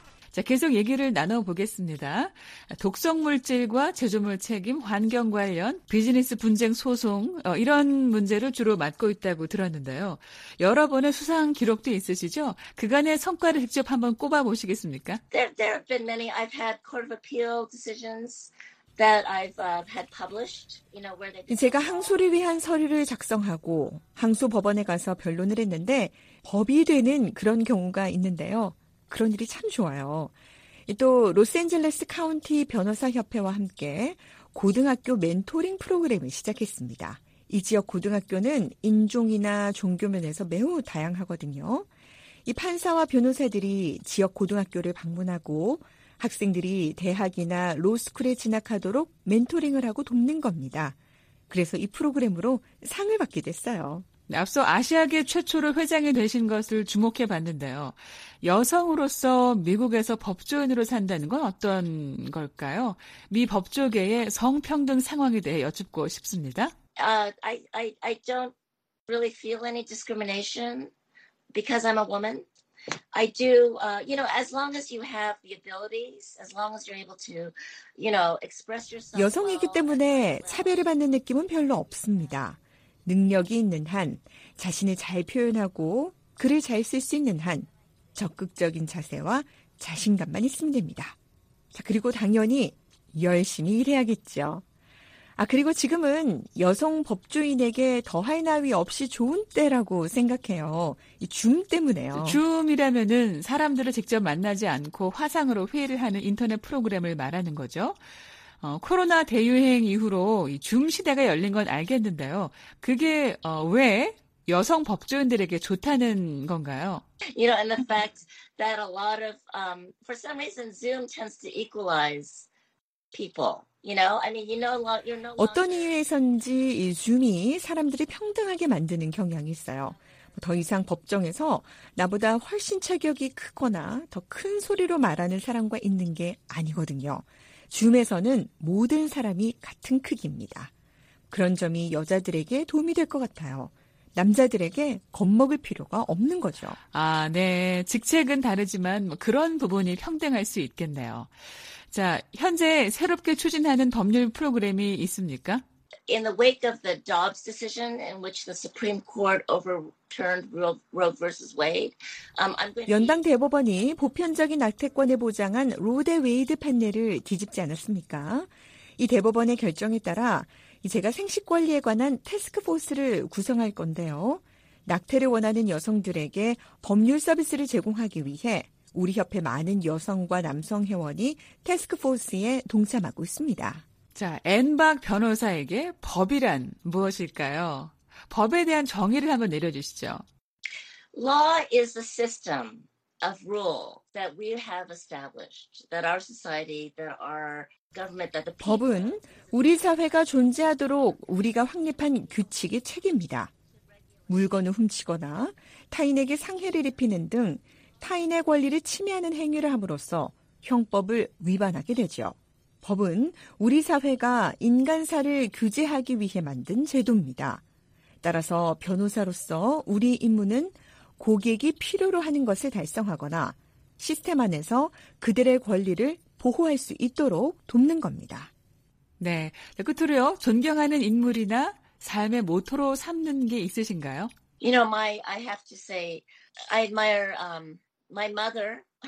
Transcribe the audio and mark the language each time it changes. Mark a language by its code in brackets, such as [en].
[ko] 자, 계속 얘기를 나눠보겠습니다. 독성물질과 제조물 책임, 환경 관련, 비즈니스 분쟁 소송 이런 문제를 주로 맡고 있다고 들었는데요. 여러 번의 수상 기록도 있으시죠? 그간의 성과를 직접 한번 꼽아보시겠습니까? [en] There have been many. I've had court of appeal decisions that I've had published. You know, where they [ko] 제가 항소를 위한 서류를 작성하고 항소법원에 가서 변론을 했는데 법이 되는 그런 경우가 있는데요. 그런 일이 참 좋아요. 또 로스앤젤레스 카운티 변호사협회와 함께 고등학교 멘토링 프로그램을 시작했습니다. 이 지역 고등학교는 인종이나 종교 면에서 매우 다양하거든요. 이 판사와 변호사들이 지역 고등학교를 방문하고 학생들이 대학이나 로스쿨에 진학하도록 멘토링을 하고 돕는 겁니다. 그래서 이 프로그램으로 상을 받게 됐어요. 앞서 아시아계 최초로 회장이 되신 것을 주목해봤는데요. 여성으로서 미국에서 법조인으로 산다는 건 어떤 걸까요? 미 법조계의 성평등 상황에 대해 여쭙고 싶습니다. [en] I don't really feel any discrimination because I'm a woman. I do, you know, as long as you have the abilities, as long as you're able to, you know, express yourself. [ko] 여성이기 때문에 차별을 받는 느낌은 별로 없습니다. 능력이 있는 한, 자신을 잘 표현하고 글을 잘 쓸 수 있는 한, 적극적인 자세와 자신감만 있으면 됩니다. 자, 그리고 당연히 열심히 일해야겠죠. 아, 그리고 지금은 여성 법조인에게 더할 나위 없이 좋은 때라고 생각해요. 이 줌 때문에요. 줌이라면은 사람들을 직접 만나지 않고 화상으로 회의를 하는 인터넷 프로그램을 말하는 거죠. 코로나 대유행 이후로 이 줌 시대가 열린 건 알겠는데요. 그게 왜 여성 법조인들에게 좋다는 건가요? [en] You know, and the fact that a lot of for some reason Zoom tends to equalize people. You know, I mean, you know, you're no longer... [ko] 어떤 이유에선지 이 줌이 사람들이 평등하게 만드는 경향이 있어요. 더 이상 법정에서 나보다 훨씬 체격이 크거나 더 큰 소리로 말하는 사람과 있는 게 아니거든요. 줌에서는 모든 사람이 같은 크기입니다. 그런 점이 여자들에게 도움이 될 것 같아요. 남자들에게 겁먹을 필요가 없는 거죠. 아, 네. 직책은 다르지만 그런 부분이 평등할 수 있겠네요. 자, 현재 새롭게 추진하는 법률 프로그램이 있습니까? [en] In the wake of the Dobbs decision in which the Supreme Court overturned Roe versus Wade, I'm going to [ko] 연방 대법원이 보편적인 낙태권을 보장한 로 대 웨이드 판례를 뒤집지 않았습니까? 이 대법원의 결정에 따라 제가 생식 권리에 관한 태스크포스를 구성할 건데요. 낙태를 원하는 여성들에게 법률 서비스를 제공하기 위해 우리 협회 많은 여성과 남성 회원이 태스크포스에 동참하고 있습니다. 자, 앤박 변호사에게 법이란 무엇일까요? 법에 대한 정의를 한번 내려주시죠. [en] Law is a system of rule that we have established, that our society, that our government, that the people... [ko] 법은 우리 사회가 존재하도록 우리가 확립한 규칙의 책입니다. 물건을 훔치거나 타인에게 상해를 입히는 등 타인의 권리를 침해하는 행위를 함으로써 형법을 위반하게 되죠. 법은 우리 사회가 인간사를 규제하기 위해 만든 제도입니다. 따라서 변호사로서 우리 임무는 고객이 필요로 하는 것을 달성하거나 시스템 안에서 그들의 권리를 보호할 수 있도록 돕는 겁니다. 네, 끝으로요. 존경하는 인물이나 삶의 모토로 삼는 게 있으신가요? [en] You know, I have to say, I admire my mother.